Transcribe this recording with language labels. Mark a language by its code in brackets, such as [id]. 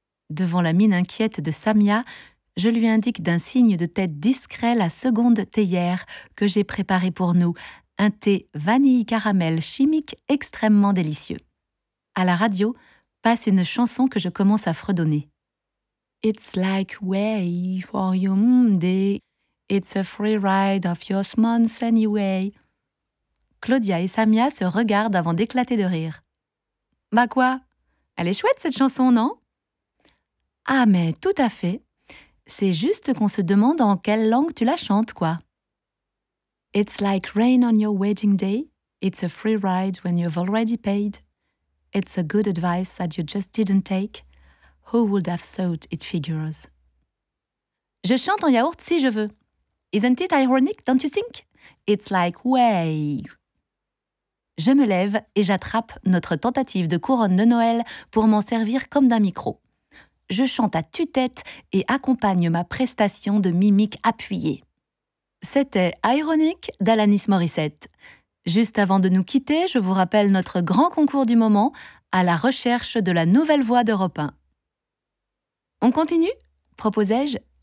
[fr] Devant la mine inquiète de Samia, je lui indique d'un signe de tête discret la seconde théière que j'ai préparée pour nous, un thé vanille caramel chimique extrêmement délicieux. À la radio, passe une chanson que je commence à fredonner. [en] It's like way for your Monday, it's a free ride of your month anyway. [fr] Claudia et Samia se regardent avant d'éclater de rire. « Bah quoi ? Elle est chouette cette chanson, non ?»« Ah mais tout à fait. C'est juste qu'on se demande en quelle langue tu la chantes, quoi. »« [en] It's like rain on your wedding day. It's a free ride when you've already paid. It's a good advice that you just didn't take. Who would have thought it figures ?»« [fr] Je chante en yaourt si je veux. [en] Isn't it ironic, don't you think ? It's like way. » [fr] Je me lève et j'attrape notre tentative de couronne de Noël pour m'en servir comme d'un micro. Je chante à tue-tête et accompagne ma prestation de mimique appuyée. C'était Ironic d'Alanis Morissette. Juste avant de nous quitter, je vous rappelle notre grand concours du moment à la recherche de la nouvelle voix d'Europe 1. On continue ? Proposai-je.